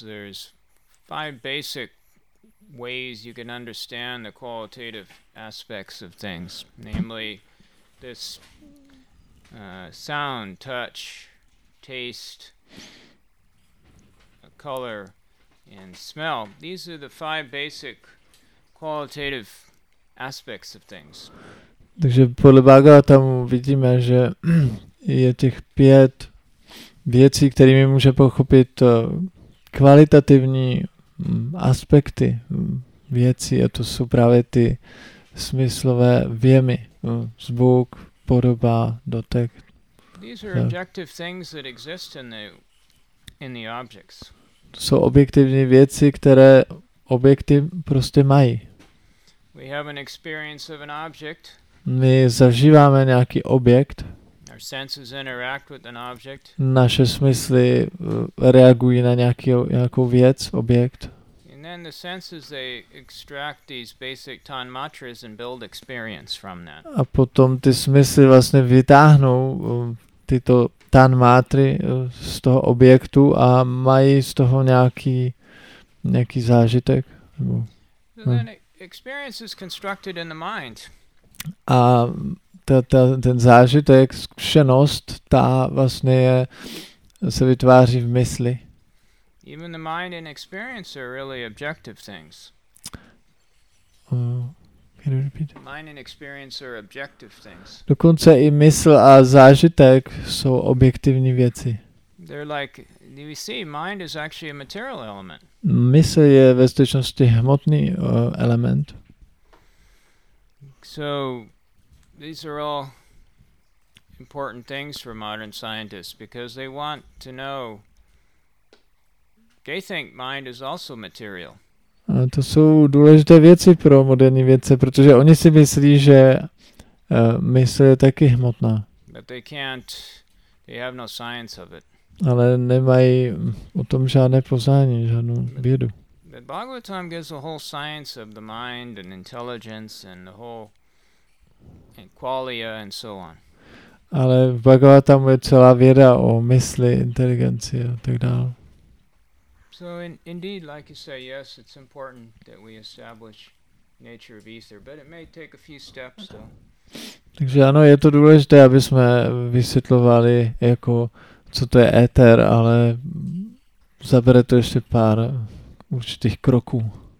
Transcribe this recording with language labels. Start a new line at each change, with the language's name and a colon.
English: There's five basic ways you can understand the qualitative aspects of things, namely this sound, touch, taste, color, and smell. These are the five basic qualitative aspects of things.
Czech: Takže podle Bhagavatam vidíme, že je těch pět věcí, kterými může pochopit kvalitativní aspekty věcí, a to jsou právě ty smyslové věmy, zvuk, podoba, dotek.
English: These are objective things that exist in the objects.
Czech: To jsou objektivní věci, které objekty prostě mají.
English: We have an experience of an object.
Czech: My zažíváme nějaký objekt.
English: Our senses interact with an object.
Czech: Naše smysly reagují na nějakou věc, objekt.
English: And then the senses, they extract these basic tanmatras and build experience from that.
Czech: A potom ty smysly vlastně vytáhnou tyto tanmatry z toho objektu a mají z toho nějaký zážitek.
English: So then experience is constructed in the mind.
Czech: A ten zážitek, zkušenost, ta vlastně se vytváří v mysli.
English: Even the mind and experience are really objective things. Can you repeat? Mind and experience are objective things.
Czech: Dokonce i mysl a zážitek jsou objektivní věci.
English: They're like, you see, mind is actually a material element.
Czech: Mysl je ve skutečnosti hmotný element.
English: So, these are all important things for modern scientists because they want to know They think mind is also material.
Czech: A to jsou důležité věci pro moderní vědce, protože oni si myslí, že mysl je taky hmotná.
English: But they can't, they have no science of it.
Czech: Ale nemají o tom žádné poznání, žádnou vědu.
English: But Bhagavatam gives a whole science of the mind and intelligence and the whole and qualia and so on.
Czech: Ale v Bhagavatamu je celá věda o mysli, inteligenci a tak dále.
English: So indeed, like you say, yes, it's important that we establish nature of ether, but it may take a few steps though.
Czech: Takže ano, je to důležité, aby jsme vysvětlovali, jako, co to je éter, ale zabere to ještě pár určitých kroků.